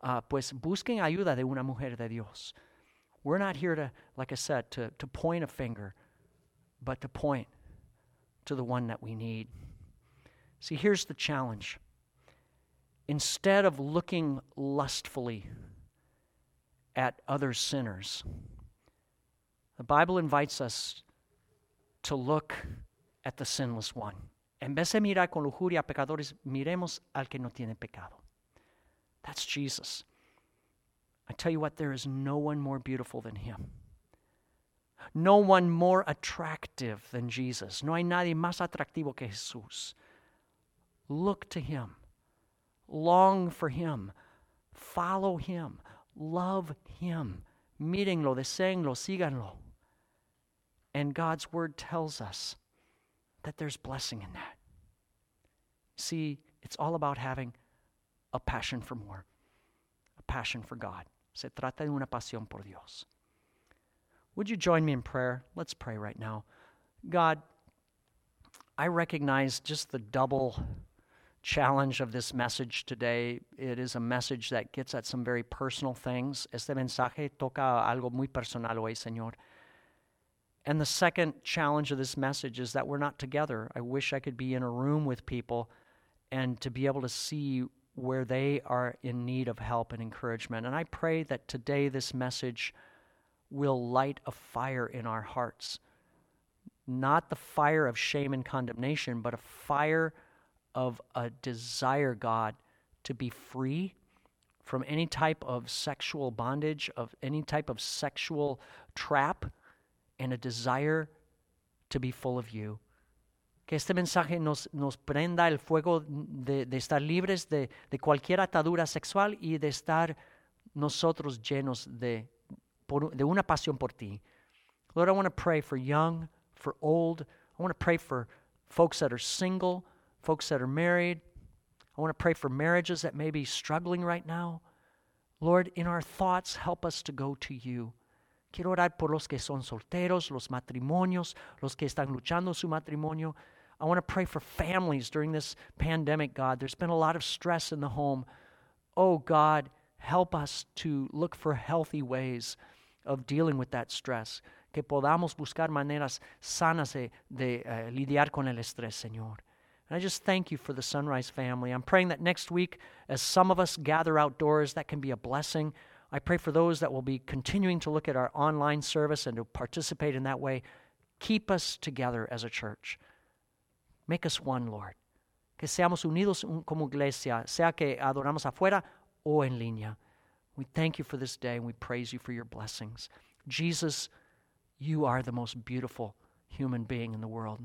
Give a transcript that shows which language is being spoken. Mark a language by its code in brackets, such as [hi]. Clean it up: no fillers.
[es] Pues busquen ayuda de una mujer de Dios. [en] We're not here to, like I said, to point a finger, but to point to the one that we need. See, here's the challenge. Instead of looking lustfully at other sinners, the Bible invites us to look at the sinless one. [es] En vez de mirar con lujuria a pecadores, miremos al que no tiene pecado. [en] That's Jesus. I tell you what, there is no one more beautiful than Him. No one more attractive than Jesus. [es] No hay nadie más atractivo que Jesús. [en] Look to Him. Long for Him. Follow Him. Love Him. [es] Mírenlo, deséenlo, síganlo. [en] And God's word tells us that there's blessing in that. See, it's all about having a passion for more, a passion for God. [es] Se trata de una pasión por Dios. [en] Would you join me in prayer? Let's pray right now. God, I recognize just the double challenge of this message today. It is a message that gets at some very personal things. [es] Este mensaje toca algo muy personal hoy, Señor. [en] And the second challenge of this message is that we're not together. I wish I could be in a room with people and to be able to see where they are in need of help and encouragement. And I pray that today this message will light a fire in our hearts. Not the fire of shame and condemnation, but a fire of a desire, God, to be free from any type of sexual bondage, of any type of sexual trap, and a desire to be full of you. [es] Que este mensaje nos prenda el fuego de estar libres de cualquier atadura sexual y de estar nosotros llenos de una pasión por ti. [en] Lord, I want to pray for young, for old. I want to pray for folks that are single, folks that are married. I want to pray for marriages that may be struggling right now. Lord, in our thoughts, help us to go to you. [es] Quiero orar por los que son solteros, los matrimonios, los que están luchando su matrimonio. [en] I want to pray for families during this pandemic, God. There's been a lot of stress in the home. Oh, God, help us to look for healthy ways of dealing with that stress. [es] Que podamos buscar maneras sanas de lidiar con el estrés, Señor. [en] And I just thank you for the Sunrise family. I'm praying that next week, as some of us gather outdoors, that can be a blessing. I pray for those that will be continuing to look at our online service and to participate in that way. Keep us together as a church. Make us one, Lord. [es] Que seamos unidos como iglesia, sea que adoramos afuera o en línea. [en] We thank you for this day and we praise you for your blessings. Jesus, you are the most beautiful human being in the world.